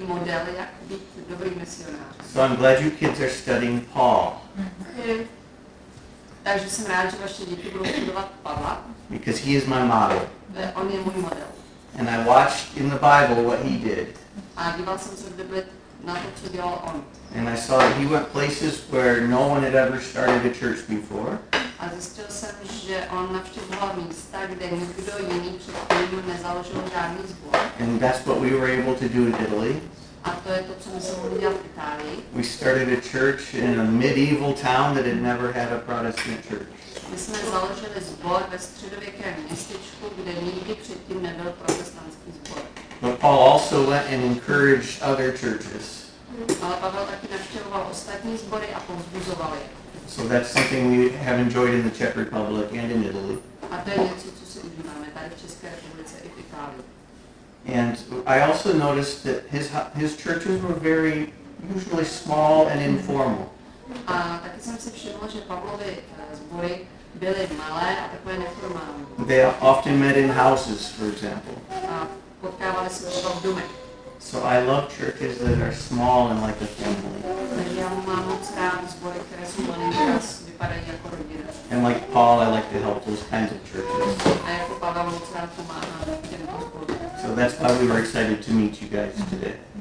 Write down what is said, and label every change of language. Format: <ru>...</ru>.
<en>So I'm glad you kids are studying Paul.</en> <cs>Takže jsem rád, že vaše děti budou studovat Pavla.</cs> <en>Because he is my model.</en> <cs>On je můj model.</cs> <en>And I watched in the Bible what he did.</en> <cs>A díval jsem se v Bibli na to, co dělal on.</cs> <en>And I saw that he went places where no one had ever started a church before.</en> <cs>A zjistil jsem, že on navštěvoval místa, kde nikdo jiný předtím nezaložil žádný sbor.</cs> <en>And that's what we were able to do in Italy.</en> <cs>A to je to, co my jsme mohli dělat v Itálii.</cs> <en>We started a church in a medieval town that had never had a Protestant church.</en> <cs>My jsme založili sbor ve středověkém městečku, kde nikdy předtím nebyl protestantský sbor.</cs> <en>But Paul also went and encouraged other churches.</en> <cs>Ale Pavel taky navštěvoval ostatní sbory a povzbuzoval je.</cs> <en>So that's something we have enjoyed in the Czech Republic and in Italy.</en> <cs>A to je něco, co si užíváme tady v České republice i v Itálii.</cs> <en>And I also noticed that his churches were very usually small and informal.</en> <cs>A taky jsem si všiml, že Pavlovy sbory byly malé a takové neformální.</cs> <en>They often met in houses, for example.</en> <cs>A potkávali se třeba v domech.</cs> <en>So I love churches that are small and like a family.</en> <cs>Takže já mám moc rád sbory, které jsou malé, které vypadají jako rodina.</cs> <en>And like Paul, I like to help those kinds of churches.</en> <cs>A jako Pavel moc rád pomáhá těmto sborům.</cs> <en>So that's why we were excited to meet you guys today.</en>